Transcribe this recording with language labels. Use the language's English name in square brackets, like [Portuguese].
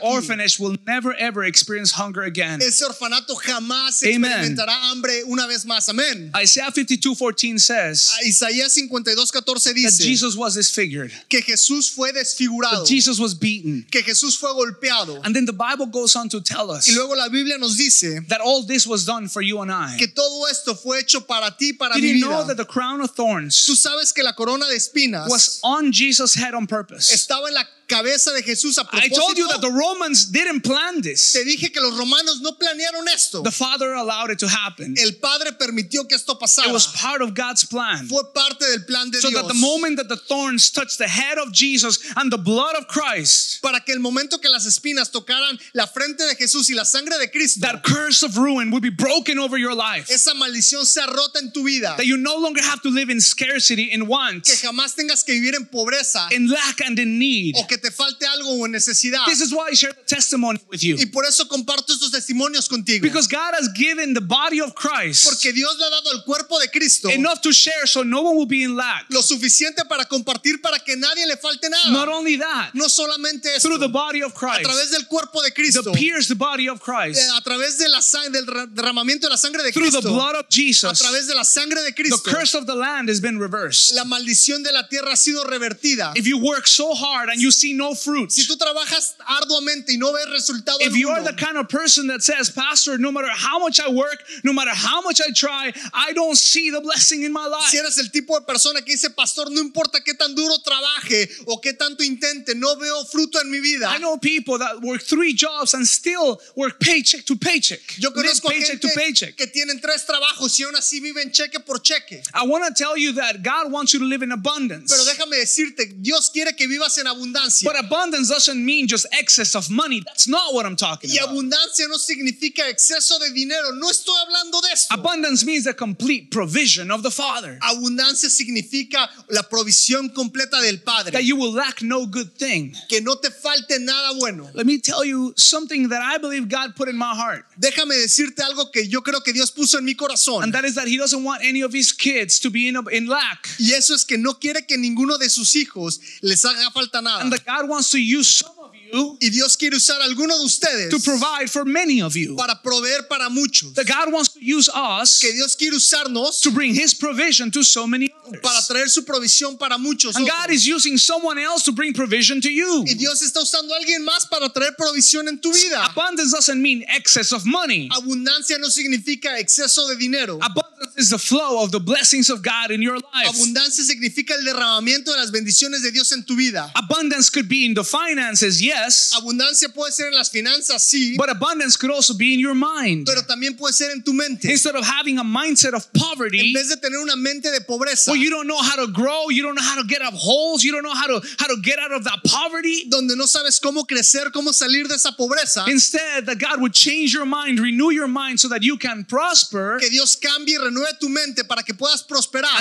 [English] That orphanage will never ever experience hunger again. [Spanish] Ese orfanato jamás experimentará hambre una vez más. [English] Amen. Isaiah 52:14 says. [Spanish] Isaías 52:14 dice. [English] That Jesus was disfigured. [Spanish] Que Jesús fue desfigurado. [English] That Jesus was beaten. [Spanish] Que Jesús fue golpeado. [English] And then the Bible goes on to tell us [Spanish] y luego la Biblia nos dice [English] that all this was done for you and I. [Spanish] Que todo esto fue hecho para ti, para [English] Did [Spanish] mi [English] you [Spanish] vida. [English] Know that the crown of thorns [Spanish] tú sabes que la corona de espinas [English] was on Jesus' head on purpose. [Spanish] Estaba en la cabeza de Jesús a propósito. [English] I told you that the Romans didn't plan this. [Spanish] Te dije que los romanos no planearon esto. [English] The Father allowed it to happen. [Spanish] El Padre permitió que esto pasara. [English] It was part of God's plan. [Spanish] Fue parte del plan de [English] so [Spanish] Dios. [English] So that the moment that the thorns touched the head of Jesus and the blood of Christ, [Spanish] para que el momento que las espinas tocaran la frente de Jesús y la sangre de Cristo, [English] that curse of ruin would be broken over your life. [Spanish] Esa maldición sea rota en tu vida. [English] That you no longer have to live in scarcity, in want, [Spanish] que jamás tengas que vivir en pobreza, [English] in lack and in need, [Spanish] o que te falte algo o necesidad. [English] This is why I share the testimony with you. [Spanish] Y por eso comparto estos testimonios contigo. [English] Because God has given the body of Christ. [Spanish] Porque Dios le ha dado el cuerpo de Cristo. [English] Enough to share so no one will be in lack. [Spanish] Lo suficiente para compartir para que nadie le falte nada. [English] Not only that. [Spanish] No solamente eso. [English] Through the body of Christ. [Spanish] A través del cuerpo de Cristo. [English] The pierced body of Christ. [Spanish] A través de la sangre del derramamiento de la sangre de [English] through [Spanish] Cristo. [English] Through the blood of Jesus. [Spanish] A través de la sangre de Cristo. [English] The curse of the land has been reversed. [Spanish] La maldición de la tierra ha sido revertida. [English] If you work so hard and you see no fruit. [Spanish] Si tú trabajas arduamente y no ves resultado alguno. [English] If you are the kind of person that says, Pastor, no matter how much I work, no matter how much I try, I don't see the blessing in my life. [Spanish] Si eres el tipo de persona que dice, Pastor, no importa qué tan duro trabaje o qué tanto intente, no veo fruto en mi vida. [English] I know people that work 3 jobs and still work paycheck to paycheck. [Spanish] Yo conozco [English] paycheck [Spanish] gente [English] to paycheck. [Spanish] Que tienen 3 trabajos y aún así viven cheque por cheque. [English] I want to tell you that God wants you to live in abundance. [Spanish] Pero déjame decirte, Dios quiere que vivas en abundancia. [English] But abundance doesn't mean just excess of money. That's not what I'm talking about. [Spanish] Y abundancia no significa exceso de dinero. No estoy hablando de esto. [English] Abundance means the complete provision of the Father. [Spanish] Abundancia significa la provisión completa del Padre. [English] That you will lack no good thing. [Spanish] Que no te falte nada bueno. [English] Let me tell you something that I believe God put in my heart. [Spanish] Déjame decirte algo que yo creo que Dios puso en mi corazón. [English] And that is that He doesn't want any of His kids to be in lack. [Spanish] Y eso es que no quiere que ninguno de sus hijos les haga falta nada. [English] And that God wants to use [Spanish] y Dios quiere usar alguno de ustedes [English] to provide for many of you. [Spanish] Para proveer para muchos. [English] That God wants to use us [Spanish] que Dios quiere usarnos [English] to bring His provision to so many others. [Spanish] Para traer su provisión para muchos. [English] And God is using someone else to bring provision to you. [Spanish] Y Dios está usando a alguien más para traer provisión en tu vida. [English] Abundance doesn't mean excess of money. [Spanish] Abundancia no significa exceso de dinero. [English] Abundance Abundance is the flow of the blessings of God in your life. [Spanish] Abundancia significa el derramamiento de las bendiciones de Dios en tu vida. [English] Abundance could be in the finances, yes. [Spanish] Abundancia puede ser en las finanzas, sí. [English] But abundance could also be in your mind. [Spanish] Pero también puede ser en tu mente. [English] Instead of having a mindset of poverty, [Spanish] en vez de tener una mente de pobreza, [English] where you don't know how to grow, you don't know how to get up holes, you don't know how to get out of that poverty, [Spanish] donde no sabes cómo crecer, cómo salir de esa pobreza. [English] Instead, that God would change your mind, renew your mind, so that you can prosper. [Spanish] Que Dios cambie y renueve tu mente para que puedas prosperar.